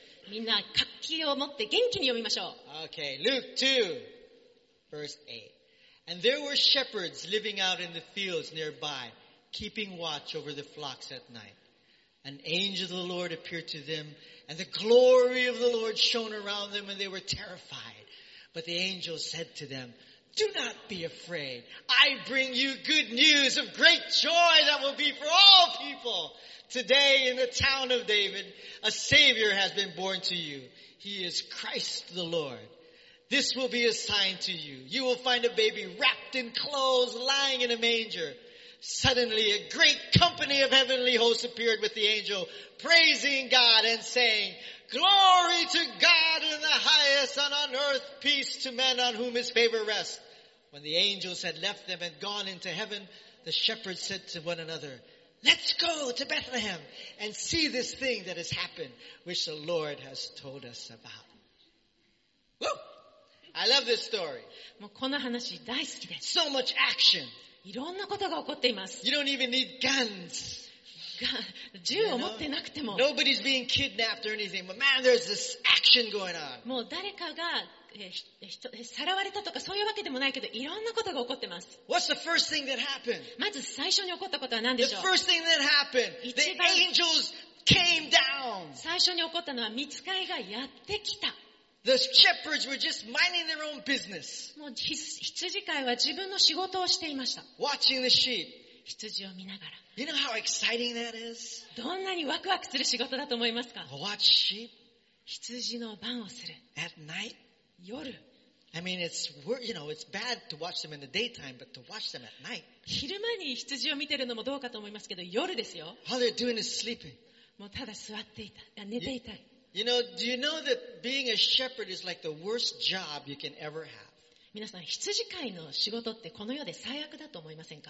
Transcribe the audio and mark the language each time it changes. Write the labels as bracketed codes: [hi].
[ja] みんな活気を持って元気に読みましょう。 [en] Okay, Luke 2, verse 8. And there were shepherds living out in the fields nearby, keeping watch over the flocks at night. An angel of the Lord appeared to them, and the glory of the Lord shone around them, and they were terrified. But the angel said to them,Do not be afraid. I bring you good news of great joy that will be for all people. Today in the town of David, a Savior has been born to you. He is Christ the Lord. This will be a sign to you. You will find a baby wrapped in clothes, lying in a manger. Suddenly a great company of heavenly hosts appeared with the angel, praising God and saying,Glory to God in the highest and on earth peace to men on whom his favor rests. When the angels had left them and gone into heaven, the shepherds said to one another, Let's go to Bethlehem and see this thing that has happened, which the Lord has told us about. Woo! I love this story. [ja] もうこの話大好きです。 [en] So much action. [ja] いろんなことが起こっています。 [en] You don't even need guns. [ja] 銃を持ってなくても。 [en] Nobody's being kidnapped or anything, but man, there's this action going on. [ja] もう誰かがさらわれたとかそういうわけでもないけど、いろんなことが起こってます。 [en] What's the first thing that happened? [ja] まず最初に起こったことは何でしょう [en] ？The first thing that happened, the angels came down. [ja] 最初に起こったのは御使いがやってきた。 [en] The shepherds were just minding their own business. [ja] もう羊飼いは自分の仕事をしていました。 [en] Watching the sheep. [ja] 羊を見ながら。 [en] You know how exciting that is? [ja] どんなにワクワクする仕事だと思いますか? [en] Watch sheep? [ja] 羊の番をする。 [en] At night? [ja] 夜。 [en] I mean, it's, you know, it's bad to watch them in the daytime, but to watch them at night. [ja] 昼間に羊を見てるのもどうかと思いますけど、夜ですよ。 [en] All they're doing is sleeping. [ja] もうただ座っていた。あ、寝ていた。 [en] You know, do you know that being a shepherd is like the worst job you can ever have? [ja] 皆さん、羊飼いの仕事ってこの世で最悪だと思いませんか?